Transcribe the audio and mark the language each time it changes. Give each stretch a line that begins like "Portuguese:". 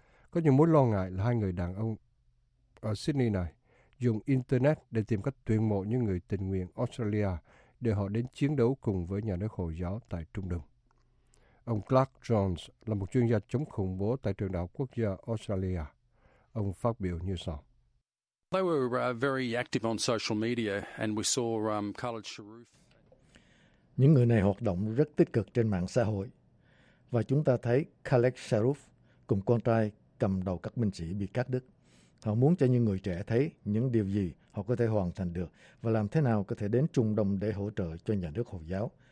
Vietnamese: Có những mối lo ngại là hai người đàn ông ở Sydney này dùng Internet để tìm cách tuyển mộ những người tình nguyện Australia để họ đến chiến đấu cùng với nhà nước Hồi giáo tại Trung Đông. Ông Clark Jones là một chuyên gia chống khủng bố tại Trường Đại học Quốc gia Australia. Ông phát biểu như sau.
English: They were very active on social media and we saw Khaled Sharif.
Vietnamese: Những người này hoạt động rất tích cực trên mạng xã hội. Và chúng ta thấy Khaled Sharif cùng con trai cầm đầu các binh sĩ bị cắt đứt. Họ muốn cho những người trẻ thấy những điều gì họ có thể hoàn thành được và làm thế nào có thể đến Trung Đông để hỗ trợ cho nhà nước Hồi giáo.